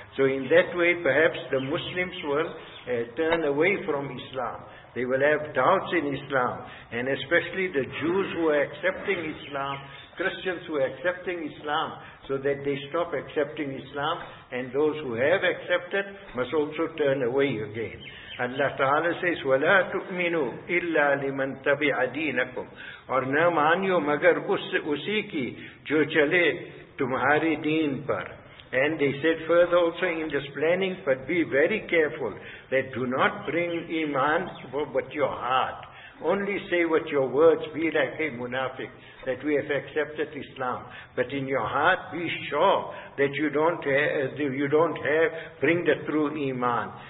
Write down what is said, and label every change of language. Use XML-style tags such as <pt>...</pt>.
<en>So in that way, perhaps the Muslims will turn away from Islam. They will have doubts in Islam. And especially the Jews who are accepting Islam, Christians who are accepting Islam, so that they stop accepting Islam, and those who have accepted must also turn away again. Allah Ta'ala says,</en> <ar>وَلَا تُؤْمِنُوا إِلَّا لِمَنْ تَبِعَ دِينَكُمْ</ar> <ur>اور نہ مانیو مگر اسی کی جو چلے تمہارے دین پر.</ur> <en>And they said further also in this planning, but be very careful that do not bring iman but your heart. Only say with your words, be like a munafiq, that we have accepted Islam. But in your heart, be sure that you don't have bring the true iman.</en>